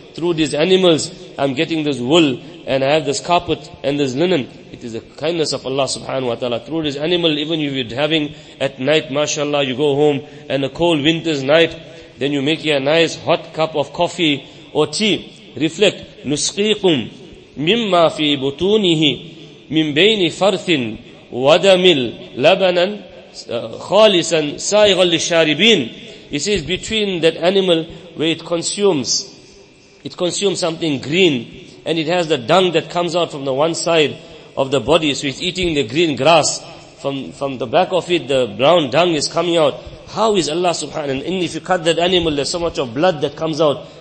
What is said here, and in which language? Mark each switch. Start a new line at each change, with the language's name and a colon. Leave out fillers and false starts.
English: Through these animals, I'm getting this wool and I have this carpet and this linen. It is the kindness of Allah subhanahu wa ta'ala. Through this animal, even if you're having at night, mashallah, you go home and a cold winter's night, then you make you a nice hot cup of coffee or tea.
Arabic: Reflect, نُسْقِيكُمْ مِمَّا فِي بُطُونِهِ مِنْ بَيْنِ فَرْثٍ وَدَمِلْ لَبَنًا خَالِسًا سَائِغًا لِلشَّارِبِينَ.
English: It says between that animal where it consumes something green, and it has the dung that comes out from the one side of the body, so it's eating the green grass. From the back of it, the brown dung is coming out. How is Allah subhanahu wa ta'ala, and if you cut that animal, there's so much of blood that comes out.